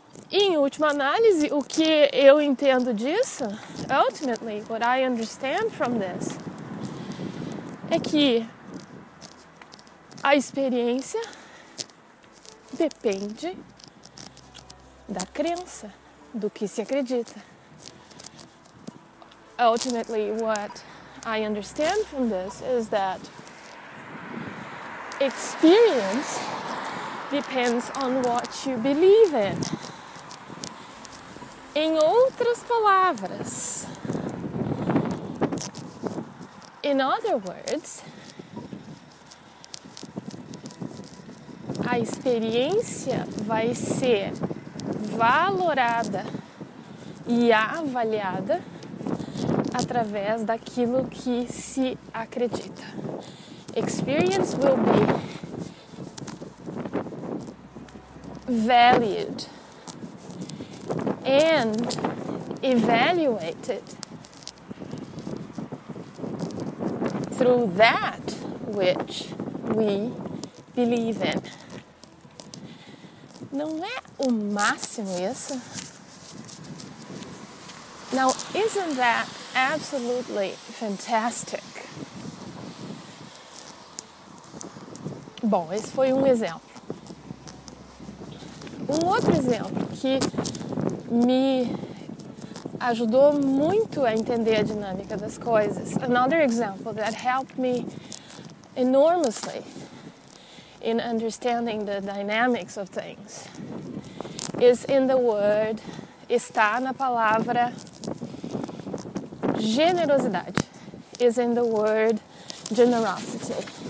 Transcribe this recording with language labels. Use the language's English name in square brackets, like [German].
[Portuguese] Em última análise, o que eu entendo disso, [English] ultimately, what I understand from this, [Portuguese] é que a experiência depende da crença, do que se acredita. [English] Ultimately, what I understand from this is that experience depends on what you believe in. [Portuguese] Em outras palavras, [English] in other words, [Portuguese] a experiência vai ser valorada e avaliada através daquilo que se acredita. [English] Experience will be valued and evaluated through that which we believe in. [Portuguese] Não é o máximo isso? [English] Now, isn't that absolutely fantastic? [Portuguese] Bom, esse foi um exemplo. Um outro exemplo que me ajudou muito a entender a dinâmica das coisas. [English] Another example that helped me enormously in understanding the dynamics of things is in the word, [Portuguese] está na palavra generosidade, [English] is in the word generosity.